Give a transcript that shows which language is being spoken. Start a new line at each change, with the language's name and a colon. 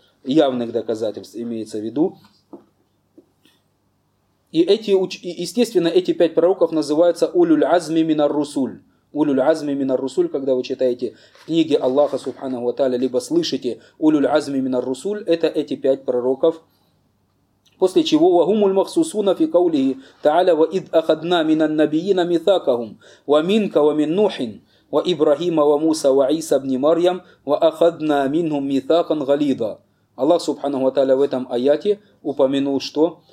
Russian: Явных доказательств имеется в виду. И эти пять пророков называются «Улюль азми минар русуль». «Улюль азми минар русуль», когда вы читаете книги Аллаха Субханаху ва Тааля, либо слышите «Улюль азми минар русуль», это эти пять пророков. После чего
Arabic: وهم المخصوصون في قوله تعالى وإذ أخذنا من النبيين ميثاقهم ومنك ومن نوح وإبراهيم وموسى وعيسى ابن مريم وأخذنا منهم ميثاقا غليظا.
Russian: Аллах Субханаху ва Тааля в этом аяте упомянул что?